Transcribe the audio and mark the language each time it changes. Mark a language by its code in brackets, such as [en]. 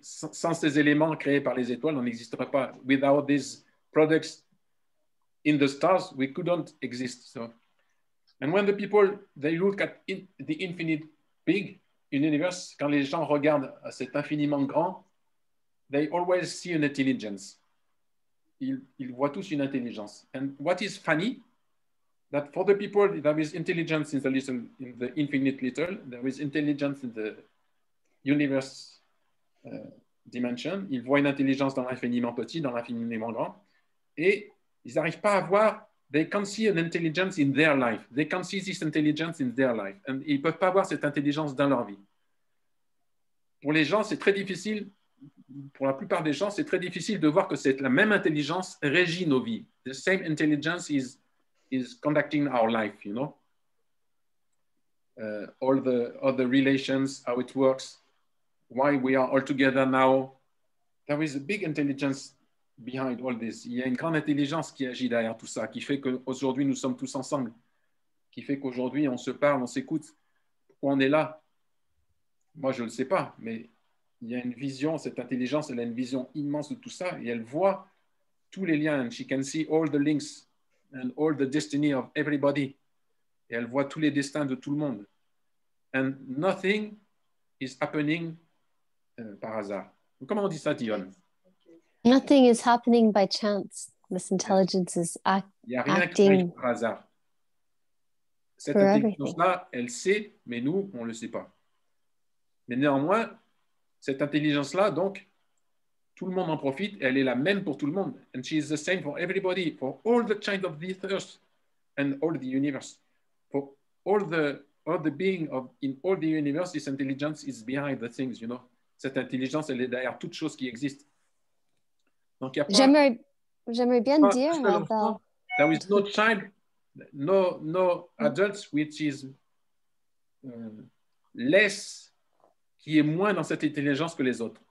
[fr] Sans ces éléments créés par les étoiles, on n'existerait pas. [en] Without these products in the stars, we couldn't exist. So, and when the people they look at the infinite big universe, [fr] quand les gens regardent à cet infiniment grand, [en] they always see an intelligence. [fr] Ils voient tous une intelligence. [en] And what is funny, that for the people there is intelligence in the little, in the infinite little, there is intelligence in the universe dimension. [fr] Ils voient une intelligence dans l'infiniment petit, dans l'infiniment grand, et ils n'arrivent pas à voir. [en] They can't see an intelligence in their life. They can't see this intelligence in their life. [fr] And ils peuvent pas voir cette intelligence dans leur vie. Pour les gens, c'est très difficile. Pour la plupart des gens, c'est très difficile de voir que c'est la même intelligence régit nos vies. [en] The same intelligence is conducting our life, you know. All the other relations, how it works, why we are all together now. There is a big intelligence behind all this. [fr] Il y a une grande intelligence qui agit derrière tout ça, qui fait qu'aujourd'hui nous sommes tous ensemble, qui fait qu'aujourd'hui on se parle, on s'écoute. Pourquoi on est là? Moi, je ne le sais pas, mais il y a une vision, cette intelligence, elle a une vision immense de tout ça, et elle voit tous les liens. [en] She can see all the links and all the destiny of everybody. [fr] Et elle voit tous les destins de tout le monde. [en] And nothing is happening par hasard. [fr] Comment on dit ça, Dion? [en] Nothing is happening by chance. This intelligence is acting. [fr] Il n'y a rien qui arrive par hasard. Cette intelligence-là, elle sait, mais nous, on ne le sait pas. Mais néanmoins, cette intelligence-là, donc, tout le monde en profite, elle est la même pour tout le monde. [en] And she is the same for everybody, for all the child of this earth and all the universe. For all the being of in all the universe, this intelligence is behind the things, you know. [fr] Cette intelligence, elle est derrière toute chose qui existe. Donc, J'aimerais bien dire, [en] there is no child, no adults which is less, [fr] qui est moins dans cette intelligence que les autres.